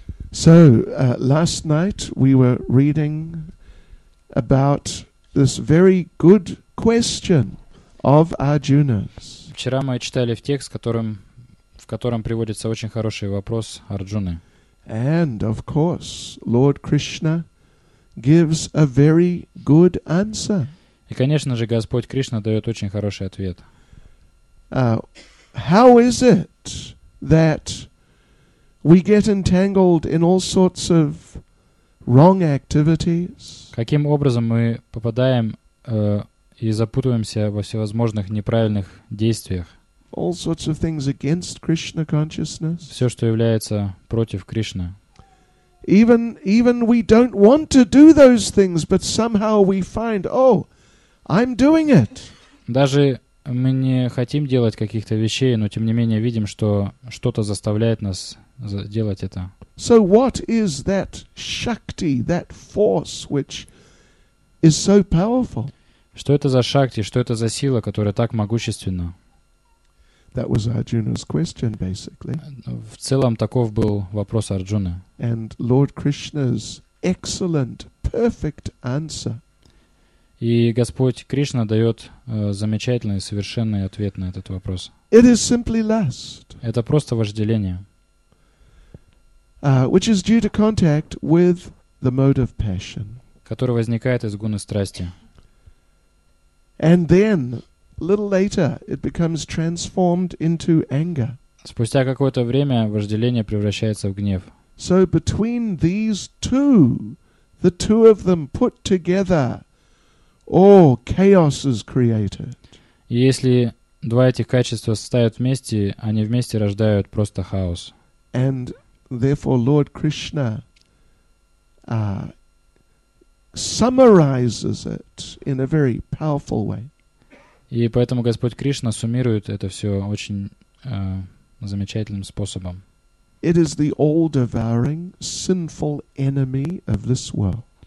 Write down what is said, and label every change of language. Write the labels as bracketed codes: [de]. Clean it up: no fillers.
[en] So, last night we were reading about this very good question of Arjuna's. [ru] Вчера мы читали в текст, в котором приводится очень хороший вопрос Арджуны. [en] And, of course, Lord Krishna gives a very good answer. [ru] И, конечно же, Господь Кришна дает очень хороший ответ. [en] How is it that we get entangled in all sorts of wrong activities? [ru] Каким образом мы попадаем и запутываемся во всевозможных неправильных действиях? [en] All sorts of things against Krishna consciousness. [ru] Все, что является против Кришны. [en] Even we don't want to do those things, but somehow we find, oh, I'm doing it. [ru] Даже мы не хотим делать каких-то вещей, но тем не менее видим, что что-то заставляет нас делать это. [en] So what is that shakti, that force which is so powerful? [ru] Что это за шакти, что это за сила, которая так могущественна? [en] That was Arjuna's question, basically. [ru] В целом таков был вопрос Арджуны. [en] And Lord Krishna's excellent, perfect answer. [ru] И Господь Кришна дает замечательный, совершенный ответ на этот вопрос. [en] It is simply lust. [ru] Это просто вожделение. [en] Which is due to contact with the mode of passion. [ru] Который возникает из гуны страсти. [en] And then, a little later, it becomes transformed into anger. [ru] Спустя какое-то время вожделение превращается в гнев. [en] So between these two, the two of them put together, all chaos is created. [ru] И если два этих качества состоят вместе, они вместе рождают просто хаос. [en] And therefore Lord Krishna summarizes it in a very powerful way. [ru] И поэтому Господь Кришна суммирует это все очень замечательным способом. [en] It is the all-devouring, sinful enemy of this world.